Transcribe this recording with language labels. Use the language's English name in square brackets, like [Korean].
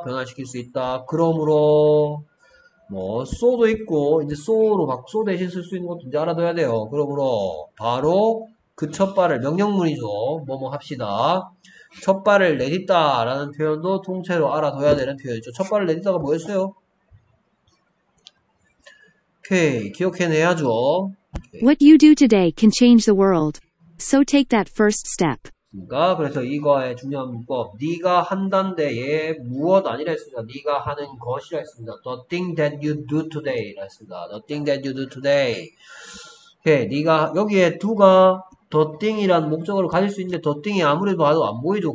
[Korean] 변화시킬 수 있다. 그러므로 뭐 so도 있고 이제 so로 막 so 대신 쓸수 있는 것도 이제 알아둬야 돼요. 그러므로 바로 그첫 발을 명령문이죠. 뭐뭐 합시다. 첫 발을 내딛다라는 표현도 통째로 알아둬야 되는 표현이죠. 첫 발을 내딛다가 뭐였어요? 오케이, 기억해내야죠. [English] What you do today can change the world. So take that first step. [Korean] 그래서 이거의 중요한 문법. 네가 한단 데에 무엇 아니라 했습니다. 네가 하는 것이라 했습니다. [English] The thing that you do today [Korean] 라 했습니다. [English] The thing that you do today. [Korean] 오케이, 네가 여기에 두가 더 띵이란 목적을 가질 수 있는데 더 띵이 아무리 봐도 안 보이죠.